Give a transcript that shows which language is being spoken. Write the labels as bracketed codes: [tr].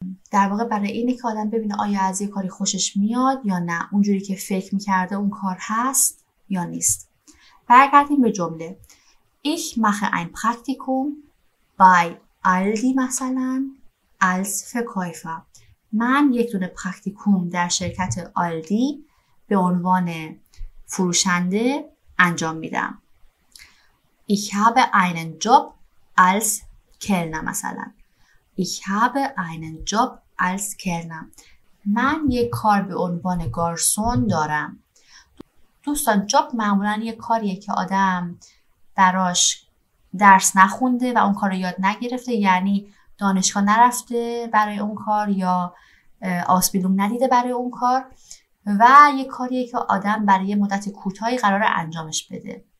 [fa] در واقع برای اینه که آدم ببینه آیا از یک کاری خوشش میاد یا نه، اونجوری که فکر میکرده اون کار هست یا نیست. برگردیم به جمله. [de] Ich mache ein Praktikum bei Aldi مثلا als Verkäufer. [fa] من یک دونه پرکتیکوم در شرکت آلدی به عنوان فروشنده انجام میدم. [de] Ich habe einen Job als Kellner مثلا. Ich habe einen Job als Kellner. [fa] من یک کار به عنوان گارسون دارم. دوستان جاب معمولا یک کاریه که آدم براش درس نخونده و اون کار رو یاد نگرفته، یعنی دانشگاه نرفته برای اون کار یا آسپیلوم ندیده برای اون کار، و یک کاریه که آدم برای مدت کوتاهی قرار انجامش بده.